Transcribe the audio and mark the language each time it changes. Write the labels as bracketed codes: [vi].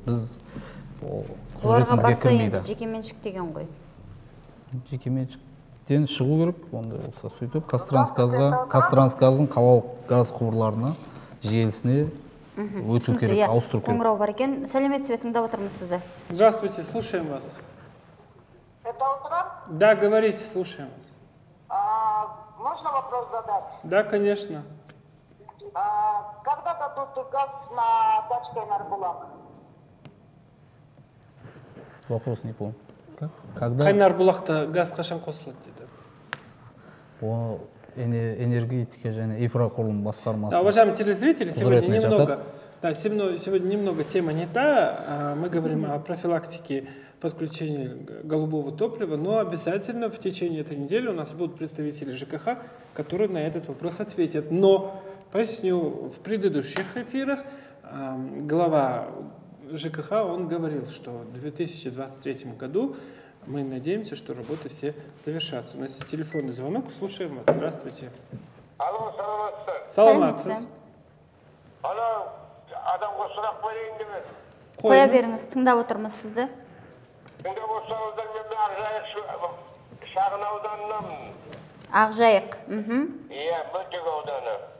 [kk] Біз құзыретімізге кірмейді. Оларға басы жекеменшік деген ғой. Жекеменшіктен шығу керек, онда болса сөйтіп. Қазтрансгазға, Қазтрансгаздың қалалық газ құбырларына, желісіне өту керек, ауыстыру керек. Қоңырау бар екен. Сәлеметсіз бе, тыңдап отырмыз сізді. [ru] Здравствуйте, слушаем вас. Это утро? Да, говорите, слушаем вас. Можно вопрос задать? Да, конечно. Когда дадут газ на дачке Кайнар-Булак? Вопрос не помню. Как? Когда? [kk] Кайнар-Булак-то газ қашан қосылады деді. О, энергетика және инфрақұрылым басқармасы. [ru] Да, уважаемые телезрители, сегодня немного. Да, сегодня немного тема не та. Мы говорим о профилактике подключение голубого топлива, но обязательно в течение этой недели у нас будут представители ЖКХ, которые на этот вопрос ответят. Но, поясню, в предыдущих эфирах глава ЖКХ, он говорил, что в 2023 году мы надеемся, что работы все завершатся. У нас есть телефонный звонок, слушаем вас. Здравствуйте. [kk] Алло, саламатсыз. Алло, адамға сұрақ қояйын деме. Қоя беріңіз, тыңдап отырмыз сізді. Енді болсаңыздар, мен Ақжайық шағын ауданынамын. Ақжайық, Иә, Мөлтек ауданы.